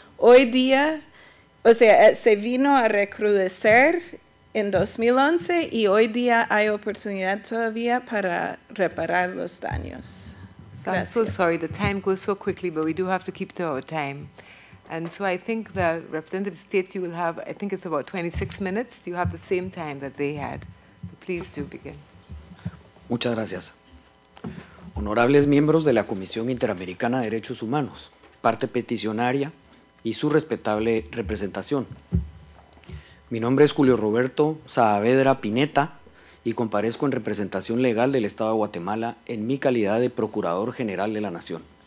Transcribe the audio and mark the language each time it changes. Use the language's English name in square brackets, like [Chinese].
[Spanish] Hoy día, se vino a recrudecer en 2011 y hoy día hay oportunidad todavía para reparar los daños. [English] So I'm so sorry, the time goes so quickly, but we do have to keep to our time. And so I think the representative state, you will have, I think it's about 26 minutes. You have the same time that they had. So please do begin. [Spanish] Muchas gracias. Honorables miembros de la Comisión Interamericana de Derechos Humanos, parte peticionaria y su respetable representación. Mi nombre es Julio Roberto Saavedra Pineta y comparezco en representación legal del Estado de Guatemala en mi calidad de Procurador General de la Nación.